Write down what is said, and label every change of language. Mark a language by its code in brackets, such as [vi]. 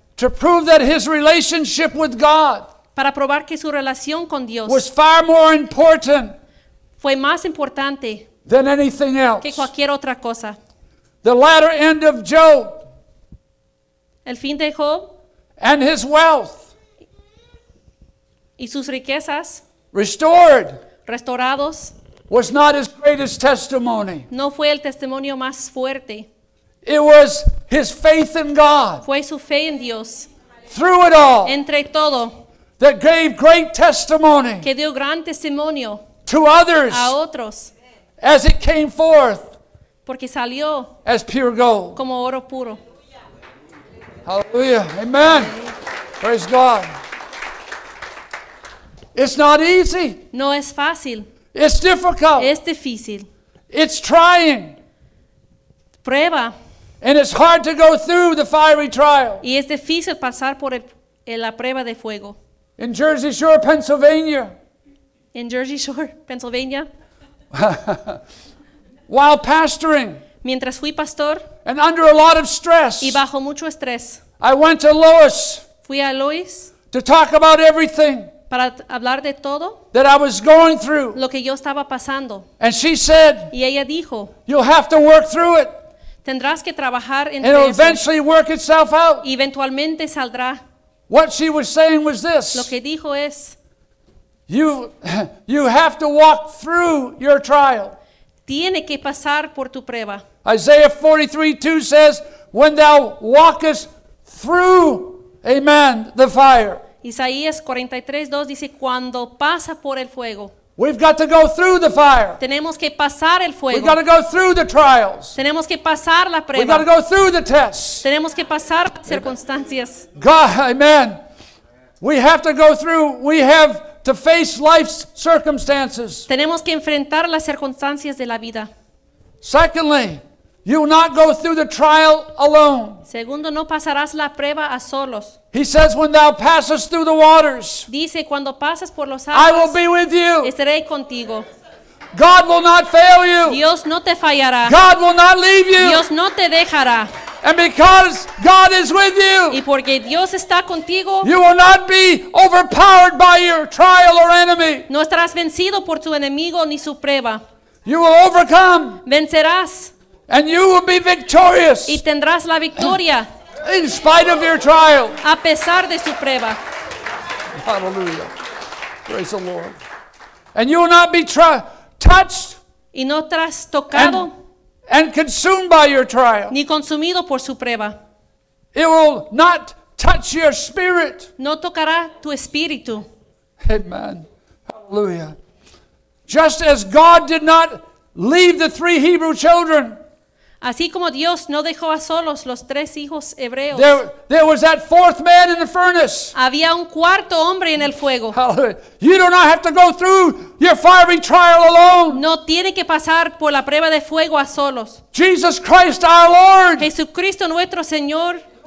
[en] To prove that his relationship with God. [es] Para probar que su relación con Dios. [en] Was far more important. [es] Fue más importante. [en] Than anything else. [es] Que cualquier otra cosa. [en] The latter end of Job. [es] El fin de Job. [en] And his wealth. [es] Y sus riquezas. [en] Restored. [es] Restaurados. [en] Was not his greatest testimony. [es] No fue el testimonio más fuerte. [en] It was his faith in God. [es] Fue su fe en Dios. [en] Through it all. [es] Entre todo. [en] That gave great testimony. [es] Que dio gran testimonio. [en] To others. [es] A otros. [en] As it came forth. [es] Porque salió. [en] As pure gold. [es] Como oro puro. [en] Hallelujah. Amen. Praise God. It's not easy. [es] No es fácil. [en] It's difficult. [es] Es difícil. [en] It's trying. [es] Prueba. [en] And it's hard to go through the fiery trial. [es] Y es difícil pasar por la prueba de fuego. [en] In Jersey Shore, Pennsylvania. In Jersey Shore, Pennsylvania. While pastoring. [es] Mientras fui pastor. [en] And under a lot of stress. [es] Y bajo mucho estrés. [en] I went to Lois. [es] Fui a Lois. [en] To talk about everything. [es] Para hablar de todo. [en] That I was going through. [es] Lo que yo estaba pasando. [en] And she said. [es] Y ella dijo. [en] You'll have to work through it. [es] Tendrás que trabajar entre eso. [en] It'll eventually work itself out. [es] Eventualmente saldrá. [en] What she was saying was this. [es] Lo que dijo es. [en] You have to walk through your trial. [es] Tiene que pasar por tu prueba. [en] Isaiah 43:2 says, when thou walkest through, amen, the fire. [es] Isaías 43:2 dice, cuando pasa por el fuego. [en] We've got to go through the fire. [es] Tenemos que pasar el fuego. [en] We've got to go through the trials. [es] Tenemos que pasar la prueba. [en] We've got to go through the tests. [es] Tenemos que pasar circunstancias. [en] God, amen. We have to go through. We have to face life's circumstances. [es] Tenemos que enfrentar las circunstancias de la vida. [en] Secondly, you will not go through the trial alone. [es] Segundo, no pasarás la prueba a solos. [en] He says, when thou passest through the waters, [es] dice, cuando pasas por los aguas, [en] I will be with you. [es] Estaré contigo. [en] God will not fail you. [es] Dios no te fallará. [en] God will not leave you. [es] Dios no te dejará. [en] And because God is with you, [es] y porque Dios está contigo, [en] you will not be overpowered by your trial or enemy. [es] No estarás vencido por tu enemigo ni su prueba. [en] You will overcome. [es] Vencerás. [en] And you will be victorious. [es] Y tendrás la victoria. [en] In spite of your trial. [es] A pesar de su prueba. [en] Hallelujah. Praise the Lord. And you will not be touched. [es] Y no serás tocado. [en] And consumed by your trial. [es] Ni consumido por su prueba. [en] It will not touch your spirit. [es] No tocará tu espíritu. [en] Amen. Hallelujah. Just as God did not leave the three Hebrew children. [es] Así como Dios no dejó a solos los tres hijos hebreos. [en] There was that fourth man in the furnace. [es] Había un cuarto hombre en el fuego. [en] You do not have to go through your fiery trial alone. [es] No tiene que pasar por la prueba de fuego a solos. [en] Jesus Christ our Lord. [es] Jesucristo nuestro Señor.